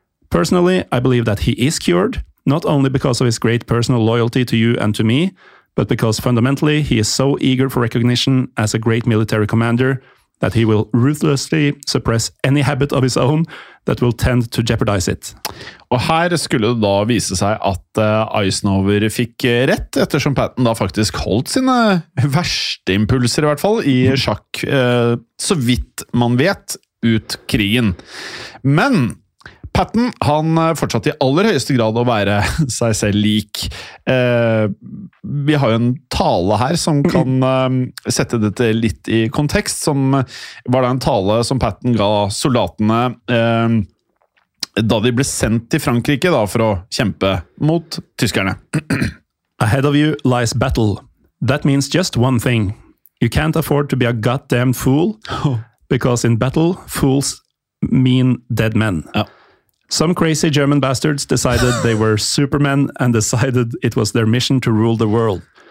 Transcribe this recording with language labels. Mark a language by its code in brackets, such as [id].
[en] Personally, I believe that he is cured, not only because of his great personal loyalty to you and to me, but because fundamentally he is so eager for recognition as a great military commander that he will ruthlessly suppress any habit of his own that will tend to jeopardize it. [no] Og her skulle det da vise seg at Eisenhower fikk rett, ettersom Patton da faktisk holdt sine verste impulser i hvert fall i sjakk, så vidt man vet, ut krigen. Men Patton, han fortsatte i aller høyeste grad å være seg selv lik. Vi har jo en tale her som kan sette dette litt i kontekst, som var det en tale som Patton ga soldatene da de ble sendt til Frankrike da, for å kjempe mot tyskerne. [en] Ahead of you lies battle. That means just one thing. You can't afford to be a goddamn fool, because in battle, fools mean dead men. [no] Ja. [en] Some crazy German bastards decided they were supermen and decided it was their mission to rule the world.